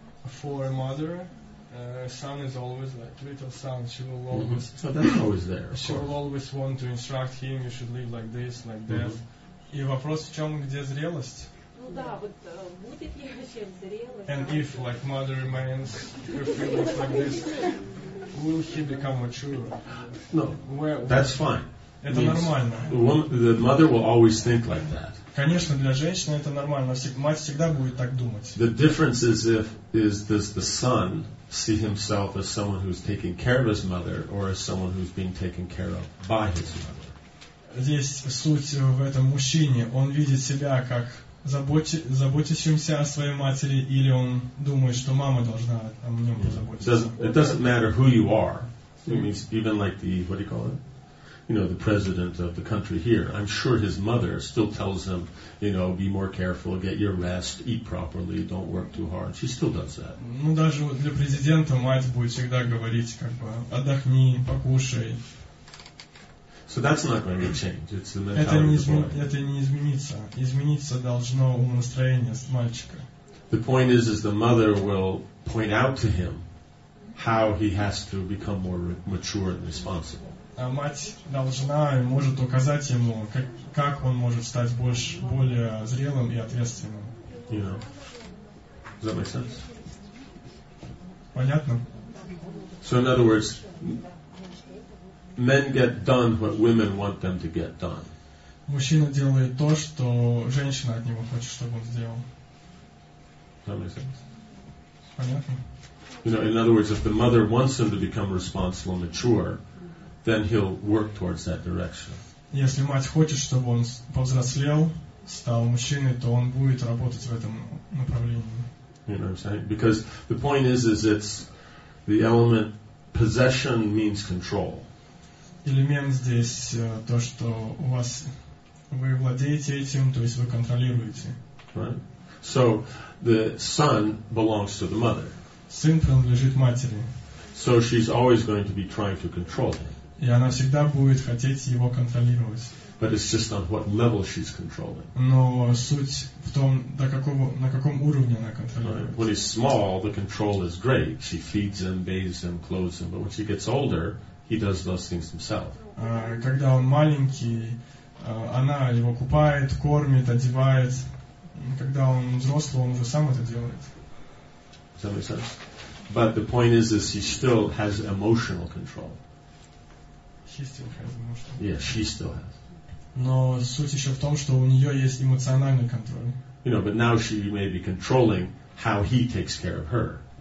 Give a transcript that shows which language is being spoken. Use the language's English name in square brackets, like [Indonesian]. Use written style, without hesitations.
[English] For a mother... son is always like little son. She will always. So that's always there. She course. Will always want to instruct him. You should live like this, like that. [Russian] И вопрос в чем, где зрелость? Ну да, вот будет ли вообще зрелость? [English] And if like mother remains feelings like this, will he become mature? No, that's fine. [Russian] Это нормально. [English] The mother will always think like that. [Russian] Конечно, для женщины это нормально. Мать всегда будет так думать. [English] The difference is if is this the son. See himself as someone who's taking care of his mother, or as someone who's being taken care of by his mother. [Russian] Здесь суть в этом мужчине. Он видит себя как заботящимся о своей матери, или он думает, что мама должна о нем позаботиться. [English] It doesn't matter who you are. It means even like the what do you call it? You know, the president of the country here. I'm sure his mother still tells him, you know, be more careful, get your rest, eat properly, don't work too hard. She still does that. [Russian] Ну даже вот для президента мать будет всегда говорить как бы отдохни, покушай. [English] So that's not going to change. It's the mentality. [Russian] Это не изменится. Измениться должно настроение мальчика. [English] The point is the mother will point out to him how he has to become more mature and responsible. [Russian] А мать должна и может указать ему, как он может стать более зрелым и ответственным. [English] You know. Does that make sense? [Russian] Понятно? [English] So in other words, men get done what women want them to get done. [Russian] Мужчина делает то, что женщина от него хочет, чтобы он сделал. [English] Does that make sense? [Russian] Понятно? [English] You know, in other words, if the mother wants him to become responsible and mature, then he'll work towards that direction. [Russian] Если мать хочет, чтобы он повзрослел, стал мужчиной, то он будет работать в этом направлении. [English] You know what I'm saying? Because the point is it's the element possession means control. [Russian] Элемент здесь то, что у вас вы владеете этим, то есть вы контролируете. [English] Right. So the son belongs to the mother. [Russian] Сын принадлежит матери. [English] So she's always going to be trying to control him. [Russian] И она всегда будет хотеть его контролировать. [English] But it's just on what level she's controlling. [Russian] Но суть в том, на каком уровне она контролирует. [English] Right. When he's small, the control is great. She feeds him, bathes him, clothes him. But when she gets older, he does those things himself. [Russian] Когда он маленький, она его купает, кормит, одевает. Когда он взрослый, он уже сам это делает. [English] Does that make sense? But the point is he still has emotional control. She still has emotional. Yeah, she still has. [Russian] Но суть еще в том, что у нее есть эмоциональный контроль. [English] You know, but now she may be controlling how he takes care of her.